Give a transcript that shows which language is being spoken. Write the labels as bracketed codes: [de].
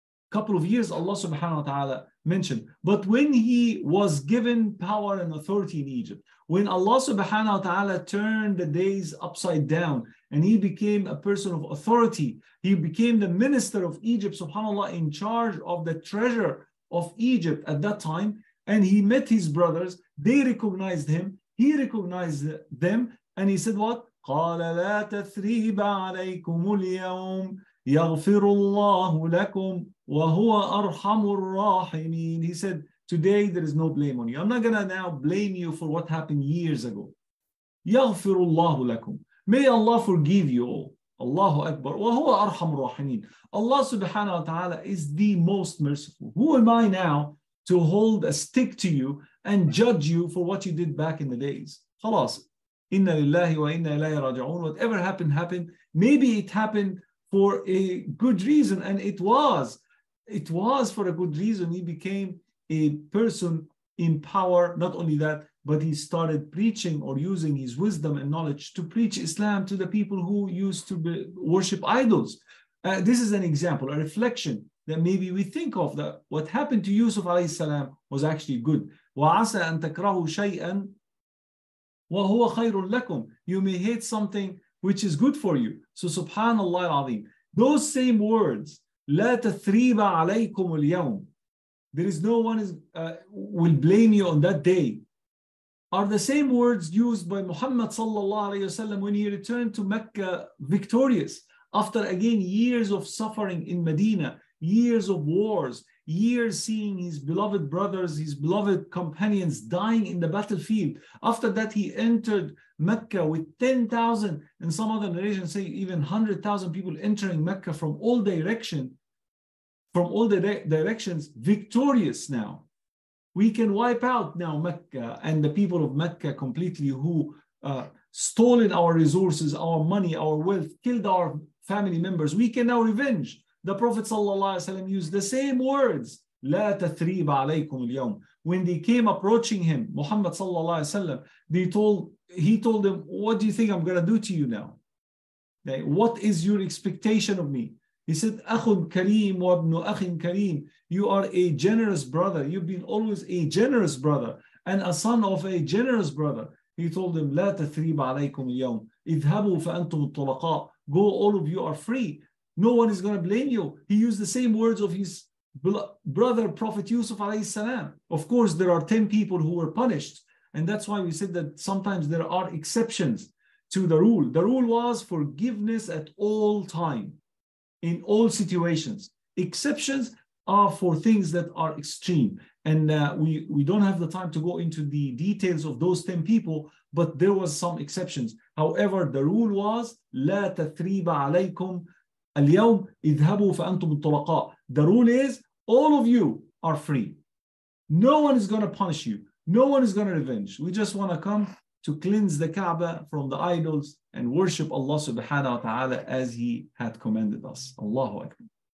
[en] A couple of years, Allah subhanahu wa ta'ala mentioned. But when he was given power and authority in Egypt, when Allah subhanahu wa ta'ala turned the days upside down and he became a person of authority, he became the minister of Egypt, subhanAllah, in charge of the treasure of Egypt at that time, and he met his brothers, they recognized him, he recognized them, and he said what? [ar] قَالَ لَا تَثْرِيبَ عَلَيْكُمُ الْيَوْمِ يَغْفِرُ اللَّهُ لَكُمْ وَهُوَ أَرْحَمُ الرَّاحِمِينَ. [en] He said, Today, there is no blame on you. I'm not going to now blame you for what happened years ago. [ar] يَغْفِرُ اللَّهُ لَكُمْ. [en] May Allah forgive you all. Allahu Akbar. [ar] وَهُوَ أَرْحَمُ الرَّحِمِينَ. [en] Allah subhanahu wa ta'ala is the most merciful. Who am I now to hold a stick to you and judge you for what you did back in the days? [ar] خلاص. إِنَّ لِلَّهِ وَإِنَّ إِلَيْهِ رَاجِعُونَ. [en] Whatever happened, happened. Maybe it happened for a good reason. And it was. It was for a good reason. He became a person in power. Not only that, but he started preaching or using his wisdom and knowledge to preach Islam to the people who used to worship idols. This is an example, a reflection that maybe we think of, that what happened to Yusuf alayhi salam was actually good. [ar] وَعَسَىٰ أَن تَكْرَهُ شَيْئًا وَهُوَ خَيْرٌ لَكُمْ. [en] You may hate something which is good for you. So subhanallah al-azim. Those same words, [ar] لَا تَثْرِيبَ عَلَيْكُمُ الْيَوْمِ. [en] There is no one will blame you on that day. Are the same words used by Muhammad sallallahu alayhi wasallam when he returned to Mecca victorious after again years of suffering in Medina, years of wars, years seeing his beloved brothers, his beloved companions dying in the battlefield. After that, he entered Mecca with 10,000, and some other narrations say even 100,000 people entering Mecca from all directions. From all the directions, victorious now. We can wipe out now Mecca and the people of Mecca completely, who stolen our resources, our money, our wealth, killed our family members. We can now revenge. The Prophet ﷺ used the same words, [ar] لَا تَثْرِيبَ عَلَيْكُمْ الْيَوْمِ. [en] When they came approaching him, Muhammad ﷺ, he told them, what do you think I'm going to do to you now? Like, what is your expectation of me? He said, [ar] أَخٌ كَرِيمٌ وَابْنُ أَخٍ كَرِيمٌ. [en] You are a generous brother. You've been always a generous brother and a son of a generous brother. He told him, [ar] لَا تَثْرِيبَ عَلَيْكُمْ الْيَوْمِ. اِذْهَبُوا فَأَنْتُمُ الطُّلَقَاءُ. [en] Go, all of you are free. No one is going to blame you. He used the same words of his brother, Prophet Yusuf alayhi salam. Of course, there are 10 people who were punished. And that's why we said that sometimes there are exceptions to the rule. The rule was forgiveness at all time. In all situations, exceptions are for things that are extreme. And we don't have the time to go into the details of those 10 people, but there was some exceptions. However, the rule was, [ar] لَا تَثْرِيبَ عَلَيْكُمْ الْيَوْمِ اِذْهَبُوا فَأَنْتُمُ الطُّلَقَاءُ. [en] The rule is, all of you are free. No one is going to punish you. No one is going to revenge. We just want to come to cleanse the Kaaba from the idols and worship Allah subhanahu wa ta'ala as He had commanded us. Allahu Akbar.